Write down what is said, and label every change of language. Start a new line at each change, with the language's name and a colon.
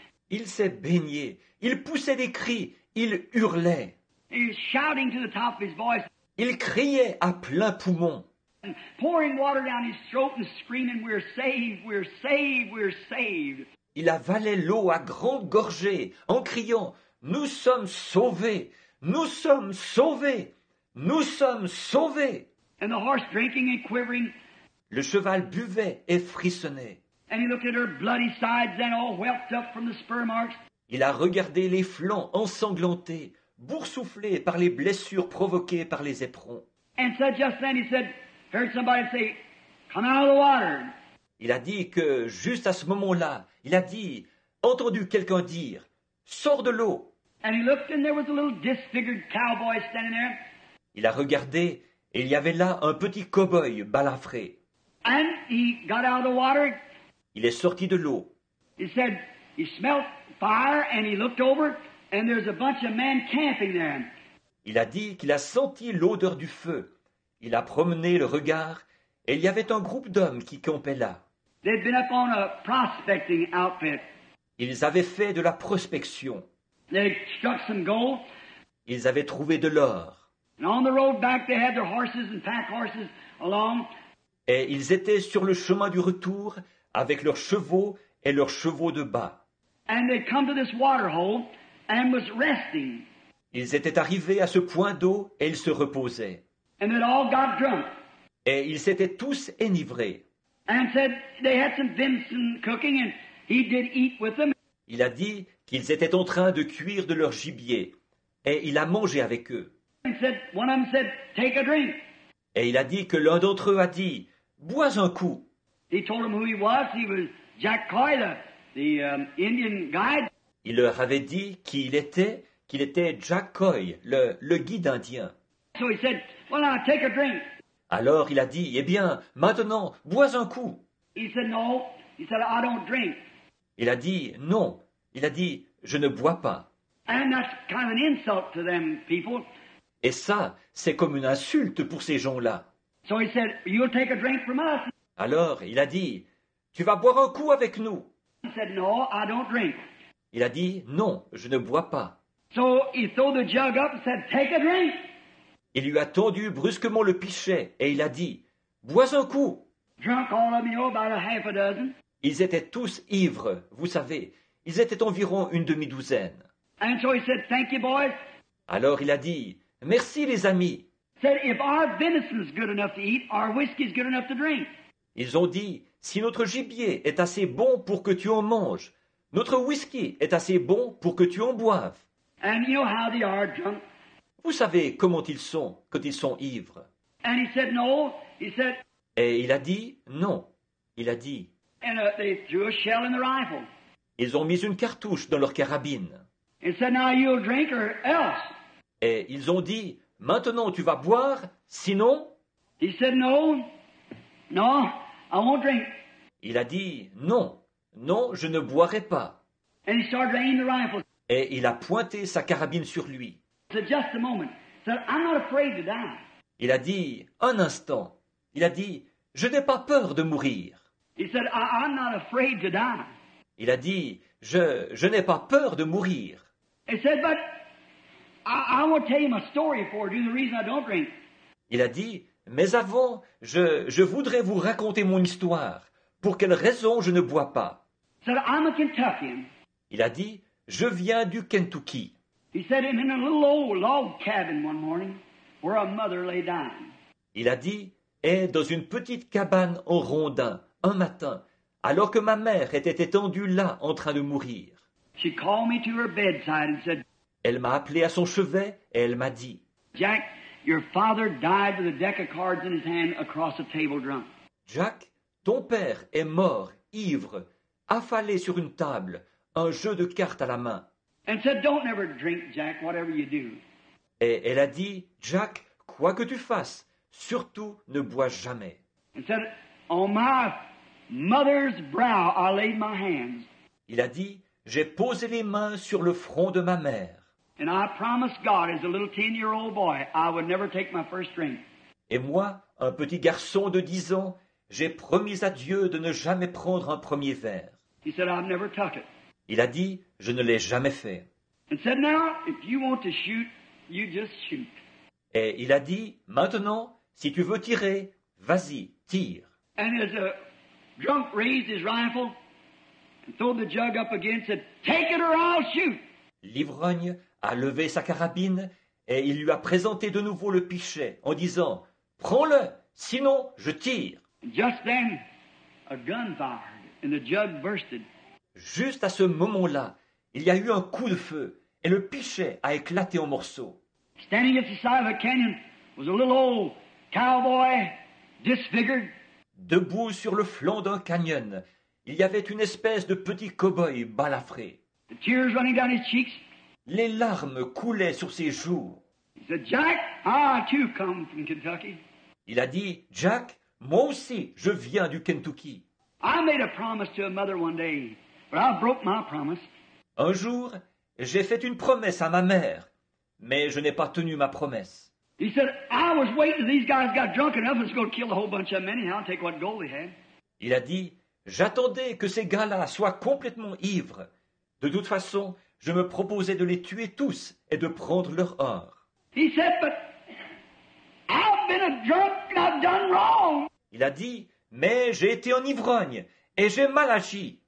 French: Il s'est baigné, il poussait des cris, il hurlait.
English: He was shouting to the top of his voice.
French: Il criait à plein poumon.
English: Pouring water down his throat and screaming, we're saved, we're saved, we're saved.
French: Il avalait l'eau à grandes gorgées en criant, nous sommes sauvés, Nous sommes sauvés. Nous sommes sauvés.
English: And the horse drinking and quivering.
French: Le cheval buvait et frissonnait.
English: And he looked at her bloody sides and all whelped up from the spur marks.
French: Il a regardé les flancs ensanglantés, boursouflés par les blessures provoquées par les éperons.
English: And said just then, he said, heard somebody say, come out of the water.
French: Il a dit que juste à ce moment-là, il a dit, entendu quelqu'un dire, sors de l'eau.
English: And he looked and there was a little disfigured cowboy standing there.
French: Il a regardé et il y avait là un petit cow-boy balafré.
English: And he got out of the water.
French: Il est sorti de l'eau.
English: He said, he smelled fire and he looked over and there's a bunch of men camping there.
French: Il a dit qu'il a senti l'odeur du feu. Il a promené le regard et il y avait un groupe d'hommes qui campaient là.
English: They'd been up on a prospecting outfit.
French: Ils avaient fait de la prospection.
English: They struck some gold.
French: Ils avaient trouvé de l'or.
English: And on the road back they had their horses and pack horses along.
French: Et ils étaient sur le chemin du retour avec leurs chevaux et leurs chevaux de bât.
English: And they come to this water hole and was resting.
French: Ils étaient arrivés à ce point d'eau et ils se reposaient.
English: And they all got drunk.
French: Et ils s'étaient tous enivrés.
English: And said they had some venison cooking and he did eat with them.
French: Il a dit qu'ils étaient en train de cuire de leur gibier et il a mangé avec eux.
English: And said, one of them said, take a drink.
French: Et il a dit que l'un d'entre eux a dit, bois un coup.
English: He told them who he was Jack Coy, the Indian guide.
French: Il leur avait dit qu'il était Jack Coy, le guide indien.
English: So he said, well, now take a drink.
French: Alors il a dit, eh bien, maintenant, bois un coup.
English: He said, no. He said, I don't drink.
French: Il a dit, non. Il a dit, je ne bois pas.
English: And that's kind of an insult to them people.
French: Et ça, c'est comme une insulte pour ces gens-là.
English: So he said, you'll take a drink from us.
French: Alors il a dit, tu vas boire un coup avec nous.
English: He said, no, I don't drink.
French: Il a dit, non, je ne bois pas.
English: So he threw the jug up and said, take a drink.
French: Il lui a tendu brusquement le pichet et il a dit, bois un coup.
English: Drunk all of me, oh, about a half a dozen.
French: Ils étaient tous ivres, vous savez. Ils étaient environ une demi-douzaine.
English: And so he said, thank you, boys.
French: Alors il a dit, merci les amis.
English: Said, if our venison's good enough to eat, our whiskey's good enough to drink.
French: Ils ont dit, si notre gibier est assez bon pour que tu en manges, notre whisky est assez bon pour que tu en boives.
English: And you know how they are drunk.
French: Vous savez comment ils sont quand ils sont ivres.
English: And he said, no. He said,
French: et il a dit, non. Il a dit,
English: and, they threw a shell in the rifle.
French: Ils ont mis une cartouche dans leur carabine.
English: And said, now you'll drink or else.
French: Et ils ont dit, maintenant tu vas boire, sinon.
English: He said, no. No, I won't drink.
French: Il a dit, non, non, je ne boirai pas.
English: And he started aiming the rifle.
French: Et il a pointé sa carabine sur lui.
English: So just a moment. So I'm not afraid to die.
French: Il a dit, un instant. Il a dit, je n'ai pas peur de mourir.
English: He said, I'm not afraid to die.
French: Il a dit, je n'ai pas peur de mourir.
English: He said, but I won't tell you my story for the reason I don't drink.
French: Il a dit, mais avant, je voudrais vous raconter mon histoire. Pour quelle raison je ne bois pas?
English: Said, I'm a Kentuckian.
French: Il a dit, je viens du Kentucky.
English: He said, I'm in a little old log cabin one morning where a mother lay dying.
French: Il a dit, et dans une petite cabane en rondin, un matin, alors que ma mère était étendue là en train de mourir.
English: She called me to her bedside and said,
French: elle m'a appelé à son chevet et elle m'a dit,
English: Jack, your father died with a deck of cards in his hand across a table drunk.
French: Jack, ton père est mort, ivre, affalé sur une table, un jeu de cartes à la main.
English: And said, don't ever drink, Jack, whatever you do.
French: Et elle a dit, Jack, quoi que tu fasses, surtout ne bois jamais.
English: And said, on my mother's brow, I laid my hands.
French: Il a dit, j'ai posé les mains sur le front de ma mère.
English: And I promised God as a little 10-year-old boy, I would never take my first drink.
French: Et moi, un petit garçon de 10 ans, j'ai promis à Dieu de ne jamais prendre un premier verre.
English: He said, I've never took it.
French: Il a dit, je ne l'ai jamais fait.
English: And said, now, if you want to shoot, you just shoot.
French: Et il a dit, maintenant, si tu veux tirer, vas-y, tire.
English: And as a drunk raised his rifle and threw the jug up again, said, take it or I'll shoot.
French: L'ivrogne a levé sa carabine Et il lui a présenté de nouveau le pichet en disant, « Prends-le, sinon je tire. »
English: Just then, a gun fired and the jug bursted.
French: Juste à ce moment-là, il y a eu un coup de feu et le pichet a éclaté en morceaux.
English: Standing at the side of a canyon was a little old cowboy, disfigured.
French: Debout sur le flanc d'un canyon, il y avait une espèce de petit cow-boy balafré.
English: The tears running down his cheeks.
French: Les larmes coulaient sur ses joues.
English: He said, Jack, I too come from Kentucky.
French: Il a dit, Jack, moi aussi, je viens du Kentucky.
English: I made a promise to a mother one day, but I broke my promise.
French: Un jour, j'ai fait une promesse à ma mère, mais je n'ai pas tenu ma promesse.
English: He said, I was waiting till these guys got drunk enough and was going to kill a whole bunch of men anyhow and take what gold they had.
French: Il a dit, j'attendais que ces gars-là soient complètement ivres. De toute façon, je me proposais de les tuer tous et de prendre leur or.
English: He said, but I've been a drunk and I've done wrong.
French: Il a dit, mais j'ai été un ivrogne et j'ai mal agi.